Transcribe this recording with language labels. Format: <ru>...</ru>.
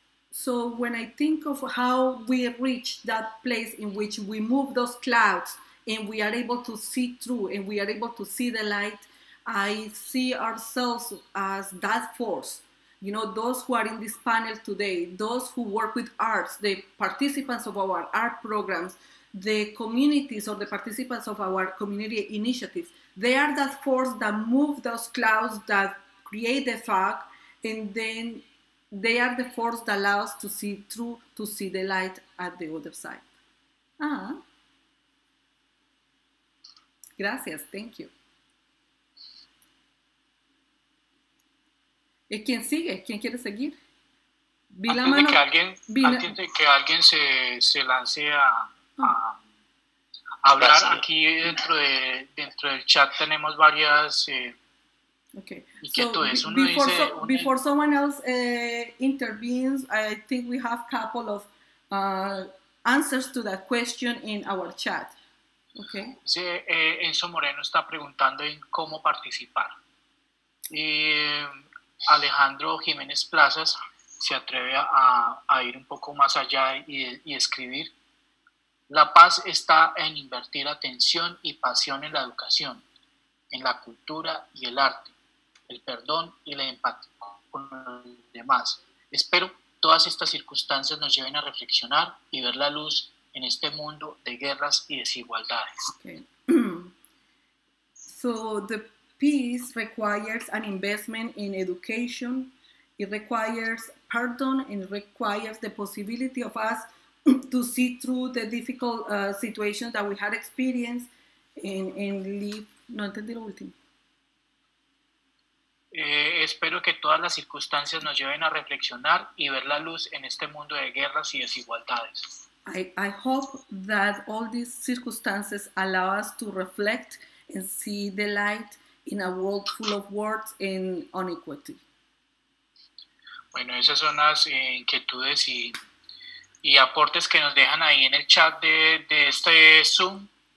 <en>So when I think of how we reach that place in which we move those clouds and we are able to see through and we are able to see the light, I see ourselves as that force. You know, those who are in this panel today, those who work with arts, the participants of our art programs, the communities or the participants of our community initiatives, they are that force that move those clouds that create the fog, and then they are the force that allows to see through, to see the light at the other side. Ah.</en> <es>Gracias,</es> <en>thank you.</en> <es>¿Y quién sigue? ¿Quién quiere seguir? Vi antes la mano. Antes de que alguien se lance a hablar, gracias. Aquí dentro del chat tenemos varias.</es> <en>Okay, so before someone else intervenes, I think we have a couple of answers to that question in our chat. Okay.</en> <es>Sí, Enzo Moreno está preguntando en cómo participar. Y Alejandro Jiménez Plazas se atreve a ir un poco más allá y escribir. La paz está en invertir atención y pasión en la educación, en la cultura y el arte, el perdón y la empatía con los demás. Espero todas estas circunstancias nos lleven a reflexionar y ver la luz en este mundo de guerras y desigualdades.</es> <en>Okay. So the peace requires an investment in education, it requires pardon, and it requires the possibility of us to see through the difficult situations that we had experienced and live.</en> <es>No entendí lo último. Espero que todas las circunstancias nos lleven a reflexionar y ver la luz en este mundo de guerras y desigualdades.</es> <en>I hope that all these circumstances allow us to reflect and see the light in a world full of wars and inequity.</en> <es>Bueno, esas son las inquietudes y aportes que nos dejan ahí en el chat de este Zoom.</es>